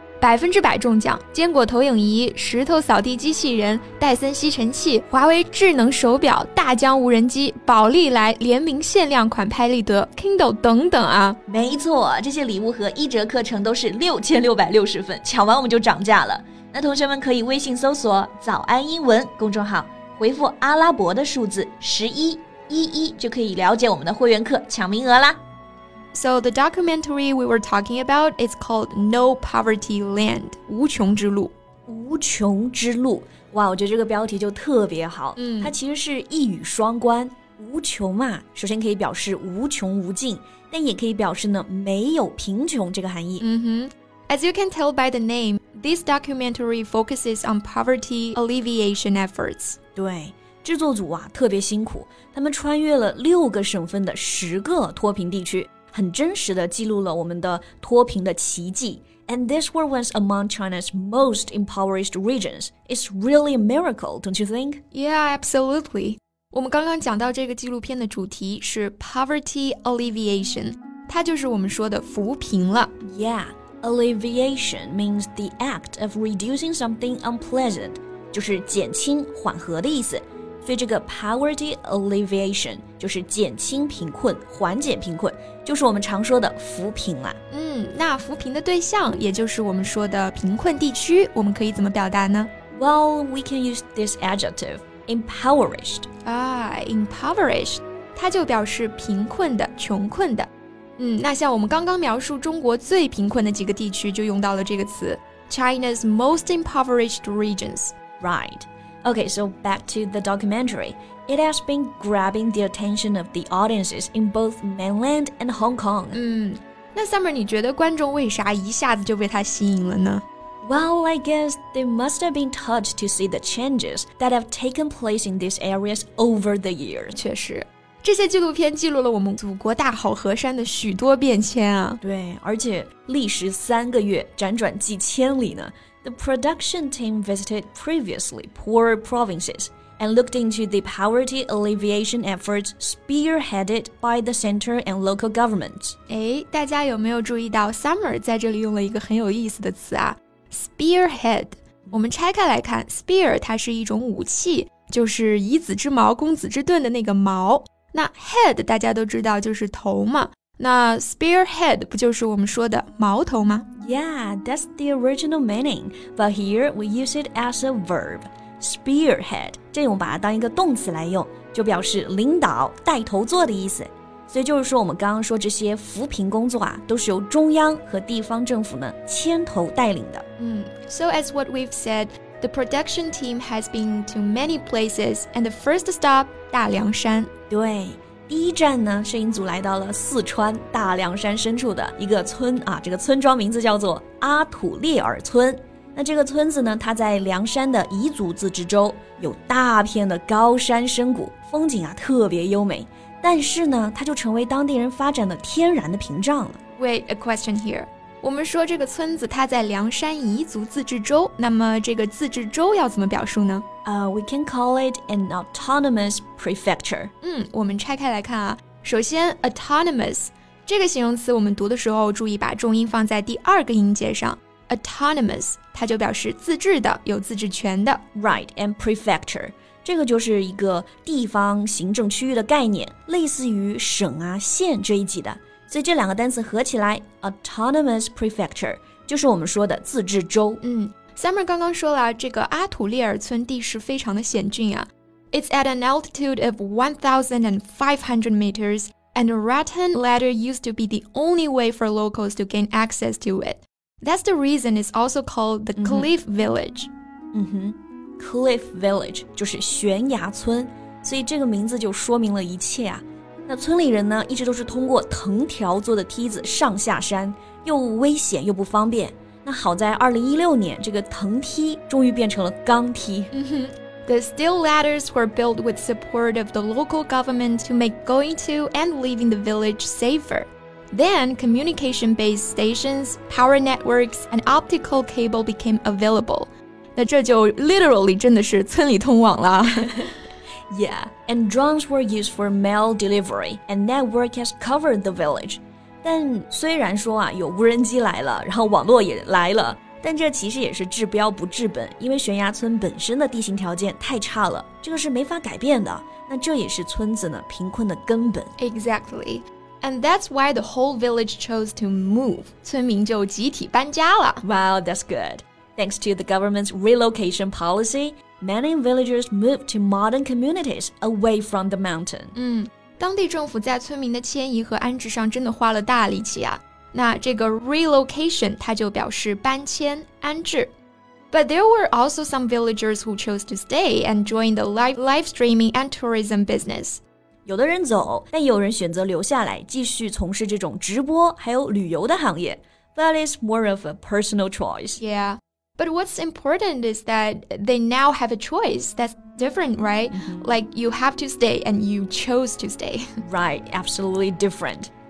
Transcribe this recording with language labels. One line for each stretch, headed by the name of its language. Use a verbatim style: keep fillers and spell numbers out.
Chinese: 百分之百中奖，坚果投影仪、石头扫地机器人、戴森吸尘器、华为智能手表、大疆无人机、宝丽来联名限量款拍立得、Kindle 等等啊！没错，这些礼物和一折课程都是六千六百六十份，抢完我们就涨价了。那同学们可以微信搜索“早安英文”公众号，回复阿拉伯的数字十一一一，就可以了解我们的会员课抢名额啦。
English: So the documentary we were talking about is called No Poverty Land, 无穷之路。
Chinese: 无穷之路，哇，我觉得这个标题就特别好。嗯，它其实是一语双关，无穷嘛，首先可以表示无穷无尽，但也可以表示呢没有贫穷这个含义。嗯哼。
English: As you can tell by the name, this documentary focuses on poverty alleviation efforts.
Chinese: 对。制作组啊特别辛苦，他们穿越了六个省份的十个脱贫地区。很真实地记录了我们的脱贫的奇迹。
English: And these were once among China's most impoverished regions. It's really a miracle, don't you think? Yeah, absolutely.
Chinese: 我们刚刚讲到这个纪录片的主题是 poverty alleviation. 它就是我们说的扶贫了。
English: Yeah, alleviation means the act of reducing something unpleasant.
Chinese: 就是减轻缓和的意思。所以这个 poverty alleviation 就是减轻贫困，缓解贫困，就是我们常说的扶贫啦。嗯，那扶贫的对象也就是我们说的贫困地区，我们可以怎么表达呢？
English: Well, we can use this adjective, impoverished. Ah, impoverished.
Chinese: 它就表示贫困的、穷困的。嗯，那像我们刚刚描述中国最贫困的几个地区就用到了这个词
English: China's most impoverished regions. Right. Okay, so back to the documentary. It has been grabbing the attention of the audiences in both mainland and Hong Kong.
Chinese: 嗯，那 Summer 你觉得观众为啥一下子就被它吸引了呢？
English: Well, I guess they must have been touched to see the changes that have taken place in these areas over the years.
Chinese: 确实，这些纪录片记录了我们祖国大好河山的许多变迁啊。对，而且历时三个月，辗转几千里呢。
English: The production team visited previously poorer provinces and looked into the poverty alleviation efforts spearheaded by the center and local governments.
Chinese: 哎，大家有没有注意到 Summer 在这里用了一个很有意思的词啊？ Spearhead 我们拆开来看 Spear 它是一种武器就是以子之矛攻子之盾的那个矛那 Head 大家都知道就是头嘛那 Spearhead 不就是我们说的矛头吗
English: Yeah, that's the original meaning But here we use it as a verb
Chinese: Spearhead 这种把它当一个动词来用就表示领导带头做的意思所以就是说我们刚刚说这些扶贫工作啊都是由中央和地方政府呢牵头带领的。
English: 嗯 So as what we've said, the production team has been to many places and the first stop, 大凉山。
Chinese: 对第一站呢摄影组来到了四川大凉山深处的一个村啊这个村庄名字叫做阿土烈尔村。那这个村子呢它在凉山的彝族自治州有大片的高山深谷风景啊特别优美。但是呢，它就成为当地人发展的天然的屏障了。 Wait, a question here. 我们说这个村子它在凉山彝族自治州，那么这个自治州要怎么表述呢？
English: 呃、uh, we can call it an autonomous prefecture.
Chinese: 嗯，我们拆开来看啊。首先 autonomous 这个形容词，我们读的时候注意把重音放在第二个音节上。 autonomous 它就表示自治的，有自治权的。
English: Right, and prefecture.
Chinese: 这个就是一个地方行政区域的概念类似于省啊县这一级的所以这两个单词合起来 autonomous prefecture 就是我们说的自治州嗯 Summer 刚刚说了这个阿土烈尔村地势非常的险峻啊
English: It's at an altitude of fifteen hundred meters and a rattan ladder used to be the only way for locals to gain access to it That's the reason it's also called the cliff village
Chinese: 嗯哼Cliff Village 就是悬崖村所以这个名字就说明了一切啊那村里人呢一直都是通过藤条做的梯子上下山又危险又不方便那好在二零一六年这个藤梯终于变成了钢梯、 mm-hmm.
English: The steel ladders were built with support of the local government to make going to and leaving the village safer Then, communication-based stations, power networks, and optical cable became available
Chinese: 那这就
English: literally
Chinese: 真的是村里通网了
English: Yeah, and drones were used for mail delivery, and network has covered the village.
Chinese: 但虽然说啊，有无人机来了，然后网络也来了，但这其实也是治标不治本，因为悬崖村本身的地形条件太差了，这个是没法改变的。那这也是村子呢贫困的根本。
English: Exactly, and that's why the whole village chose to move.
Chinese: 村民就集体搬家了。
English: Wow, that's good. Thanks to the government's relocation policy, many villagers moved to modern communities away from the mountain.
Chinese: 嗯，当地政府在村民的迁移和安置上真的花了大力气啊。那这个 relocation 它就表示搬迁、安置。
English: But there were also some villagers who chose to stay and join the live live streaming and tourism business.
Chinese: 有的人走，但有人选择留下来，继续从事这种直播还有旅游的行业。
English: But it's more of a personal choice. Yeah. But what's important is that they now have a choice. That's different, right? Mm-hmm. Like you have to stay and you chose to stay. Right, absolutely different.